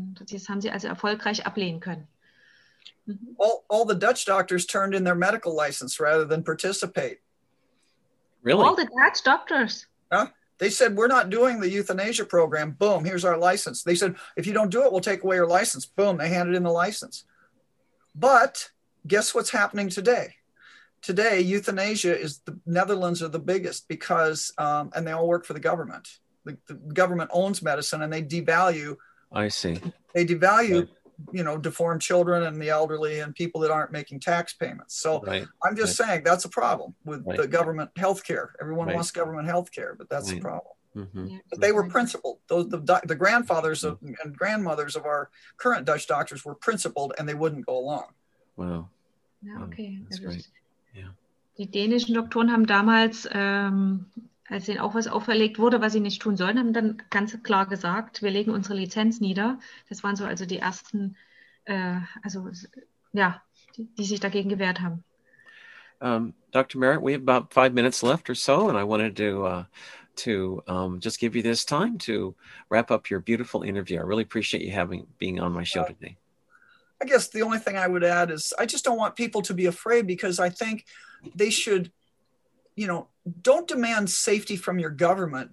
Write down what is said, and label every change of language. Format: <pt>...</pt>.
<de>Das haben sie also erfolgreich ablehnen können.</de> <en>All the Dutch doctors turned in their medical license rather than participate. Really? All the Dutch doctors? Huh? They said, we're not doing the euthanasia program. Boom, here's our license. They said, if you don't do it, we'll take away your license. Boom, they handed in the license. But guess what's happening today? Today, euthanasia is the Netherlands are the biggest because, and they all work for the government. The government owns medicine and they devalue. I see. They devalue, you know, deformed children and the elderly and people that aren't making tax payments. So I'm just saying that's a problem with the government healthcare. Everyone wants government healthcare, but that's a problem. But they were principled. The grandfathers and grandmothers of our current Dutch doctors were principled and they wouldn't go along. Wow. Yeah, okay. That's great.</en> <de>Die dänischen Doktoren haben damals, als ihnen auch was auferlegt wurde, was sie nicht tun sollen, haben dann ganz klar gesagt, wir legen unsere Lizenz nieder. Das waren so also die ersten, die sich dagegen gewehrt haben.</de> <en>Dr. Merritt, we have about 5 minutes left or so, and I wanted to just give you this time to wrap up your beautiful interview. I really appreciate you being on my show today. I guess the only thing I would add is I just don't want people to be afraid because I think they should, you know, don't demand safety from your government.</en>